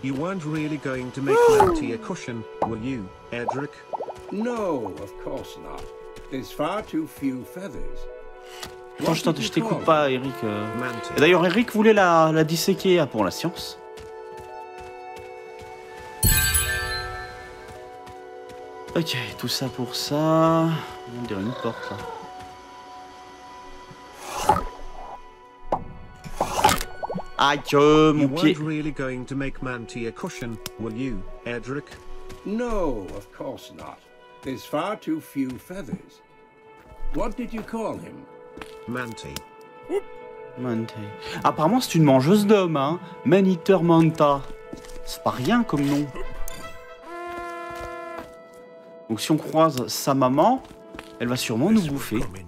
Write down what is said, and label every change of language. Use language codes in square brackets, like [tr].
[en] You weren't really going to make Manti a cushion, were you, Edric? No, of course not. There's far too few feathers. [fr] Attends, je t'écoute pas, Eric. Et d'ailleurs, Eric voulait la disséquer pour la science. Ok, tout ça pour ça. On dirait une porte là. Aïe, mon pied. [en] You weren't really going to make Manti a cushion, were you, Edric? No, of course not. There's far too few feathers. What did you call him? Manti. Manti. [fr] Apparemment, c'est une mangeuse d'hommes, hein. Man-eater manta. C'est pas rien comme nom. Donc si on croise sa maman, elle va sûrement nous bouffer.